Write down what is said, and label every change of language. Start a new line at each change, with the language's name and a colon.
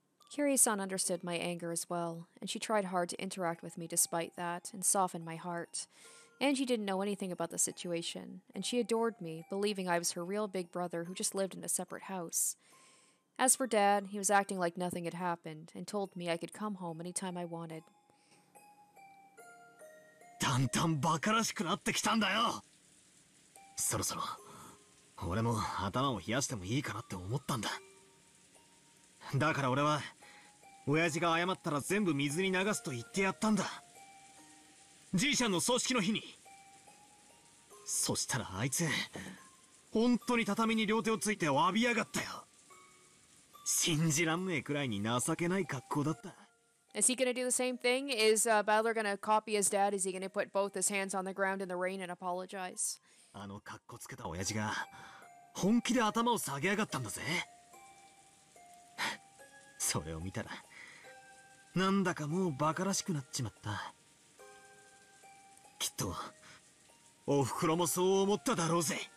English: Kiri-san understood my anger as well, and she tried hard to interact with me despite that and soften my heart. Angie didn't know anything about the situation, and she adored me, believing I was her real big brother who just lived in a separate house. As for Dad, he was acting like nothing had happened, and told me I could come home anytime I wanted.
Japanese: だんだんバカらしくなってきたんだよ。そろそろ、俺も頭を冷やしてもいいかなって思ったんだ。だから俺は、親父が謝ったら全部水に流すと言ってやったんだ。じいちゃんの葬式の日に。そしたらあいつ、本当に畳に両手をついて詫びやがったよ。信じらんねえくらいに情けない格好だった。
English: Is he gonna do the same thing? Is Badler gonna copy his dad? Is he gonna put both his hands on the ground in the rain and apologize?
Japanese: あの格好つけた親父が、本気で頭を下げやがったんだぜ。それを見たら、なんだかもうバカらしくなっちまった。きっと、おふくろもそう思っただろうぜ。